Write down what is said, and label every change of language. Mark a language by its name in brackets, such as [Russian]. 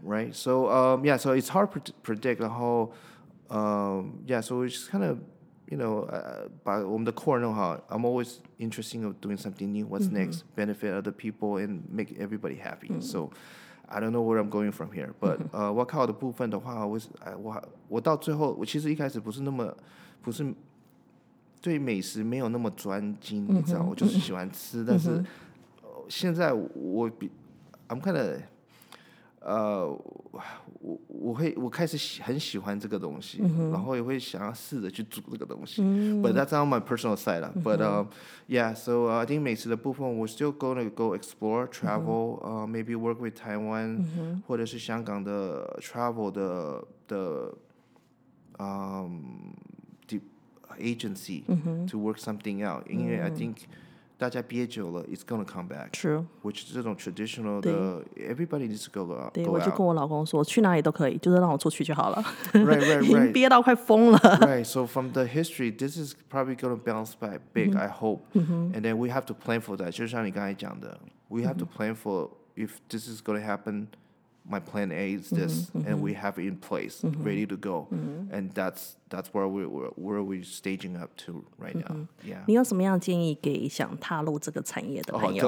[English] right so、yeah so it's hard to predict [Chinese] 然后、 [English] yeah so we just kind of you know [Chinese] 把我们的 core 弄好 [English] I'm always interested in doing something new what's、 mm-hmm. next benefit other people and make everybody happy、 mm-hmm. so I don't know where I'm going from here but、 mm-hmm. [Chinese] workout 的部分的话 我到最后我其实一开始不是那么不是对美食没有那么专精、 mm-hmm. 你知道我就是喜欢吃、 mm-hmm. 但是、现在我比 [English] I'm kind of [Chinese] 我开始很喜欢这个东西、 mm-hmm. 然后也会想要试着去煮这个东西、 mm-hmm. [English] But that's on my personal side、mm-hmm. But yeah so I think [Chinese] 美食的部分 [English] we're still gonna go explore travel、 mm-hmm. Maybe work with Taiwan、 mm-hmm. [Chinese] 或者是香港的 travel 的agency、 mm-hmm. [English] to work something out mm-hmm. [Chinese] 因为 [English] I think [Chinese] 大家憋久了 [English] it's gonna come back true which [Chinese] 这种 [English] traditional 的 everybody needs to go out [Chinese] 对 [English] go [Chinese] 我就跟我老公说去哪里都可以就是让我出去就好了 [English] right right right [Chinese] 憋到快疯了 [English] right so from the history this is probably gonna bounce back big、 mm-hmm. I hope、 mm-hmm. and then we have to plan for that [Chinese] 就像你刚才讲的 [English] we have、mm-hmm. to plan for if this is gonna happen my plan A is this、 mm-hmm. and we have it in place、 mm-hmm. ready to go、 mm-hmm. and that's where we're staging up to right now、 mm-hmm. yeah [Chinese] 你有什么样建议给想踏入这个产业的朋友、